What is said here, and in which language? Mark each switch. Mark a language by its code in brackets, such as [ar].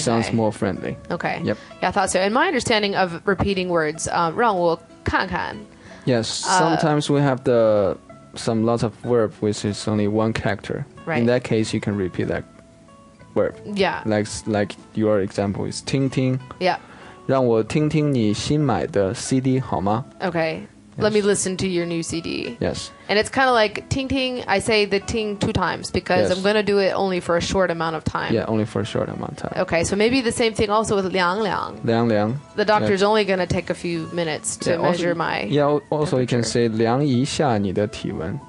[en] sounds more friendly. Okay. Yep. Yeah, I thought so. In my understanding of repeating words, [zh] 让我看看. [en] Yes, sometimes we have some lots of verb which is only one character. Right. In that case, you can repeat that verb. Yeah. Like your example is 听听. Yeah. [zh] 让我听听你新买的 CD 好吗? [en] Okay. Yes. Let me listen to your new CD. Yes. And it's kind of like ting ting. I say the ting two times because I'm going to do it only for a short amount of time. Yeah, only for a short amount of time. Okay, so maybe the same thing also with liang liang. Liang liang. The doctor's only going to take a few minutes to measure my temperature. Yeah, also you can say [zh] liang yi xia ni de ti wen.